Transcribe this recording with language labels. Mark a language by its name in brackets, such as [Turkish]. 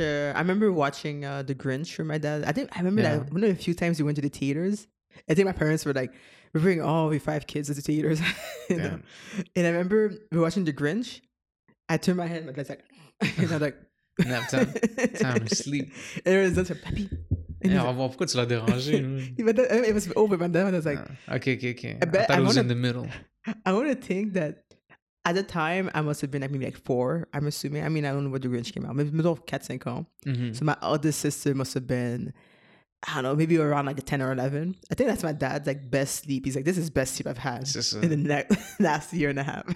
[English] I remember watching The Grinch with my dad. I remember that one of the few times we went to the theaters. I think my parents were like, we're bringing all of your five kids to the theaters. And I remember we were watching The Grinch. I turned my head and my dad's like... And I'm like... Nap time. Time to sleep. And everyone's like, papi. [French] Pourquoi tu l'as dérangé? [English] It was over. My dad was like... Okay. I thought it was in the middle. I want to think that... At the time, I must have been like maybe like 4, I'm assuming. I mean, I don't know when The Grinch came out. Maybe middle of 4-5. Mm-hmm. So my older sister must have been, I don't know, maybe around like 10 or 11. I think that's my dad's like best sleep. He's like, this is best sleep I've had in the last year and a half.